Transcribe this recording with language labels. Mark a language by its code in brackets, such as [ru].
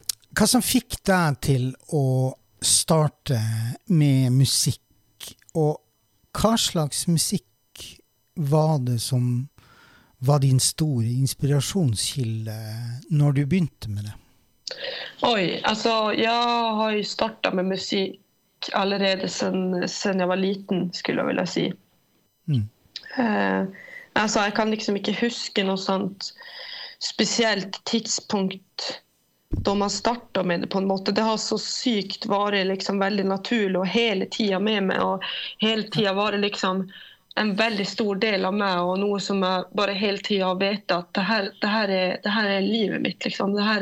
[sv] Vad som fick dig till att starta med musik och vad slags musik var det som var [no] din store inspirasjonskilde når du begynte med det? Oj, altså jeg har jo startet med musik allerede sen jeg var liten, skulle jeg vilja si. Altså jeg kan liksom ikke huske noe sånt spesielt tidspunkt da man startet med det på en måte. Det har så sykt vært liksom veldig naturlig og hele tiden med meg og hele tiden vært liksom en [sv] väldigt stor del av mig och något som jag bara hela tiden har vetat att det här är livet mitt [no] liksom.